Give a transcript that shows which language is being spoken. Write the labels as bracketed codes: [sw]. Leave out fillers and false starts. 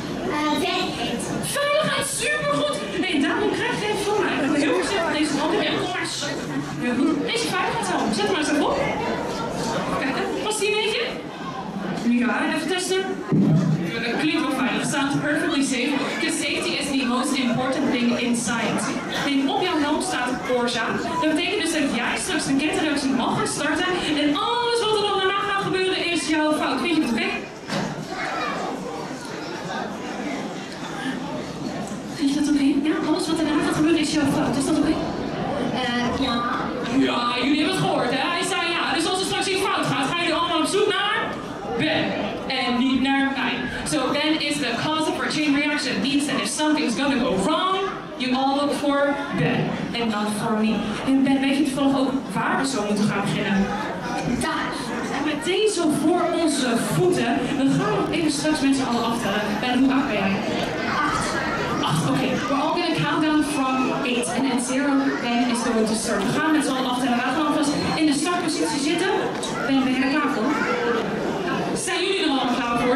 [nl] Veiligheid. Veiligheid, supergoed! Nee, daarom krijg je voor mij. Ik heb heel gezellig deze hand. Ik heb gewoon maar deze veiligheidshelm. Zet hem maar eens op. Past die een beetje? Ja, even testen. Dat klinkt wel veilig. Het staat [en] perfectly safe. Because safety is the most important thing in science. [nl] En op jouw helm staat een oorzaak. Dat betekent dus dat jij straks de kettingreactie mag gaan starten. En alles wat er dan daarna gaat gebeuren is jouw fout. Weet je wat, Ben? Vind je dat oké? Ja, alles wat daarna gaat gebeuren is jouw fout. Is dat oké? Ja. Ja, jullie hebben het gehoord, hè? Hij zei ja. Dus als er straks iets fout gaat, ga je allemaal op zoek naar Ben. En niet naar mij. [en] So Ben is the cause of our chain reaction. Means that if something's gonna go wrong, you all look for Ben. And not for me. [nl] En Ben, weet je toevallig ook waar we zo moeten gaan beginnen? Daar. En met deze voor onze voeten. We gaan even straks met z'n allen aftellen. Ben, hoe oud ben jij? Acht. Acht, oké. [en] Okay, we're all going to count down from 8 and then 0, then is going to start. [nl] We gaan met z'n allen achter en we gaan alvast in de startpositie zitten. Ben je er klaar voor? Zijn jullie er allemaal klaar voor?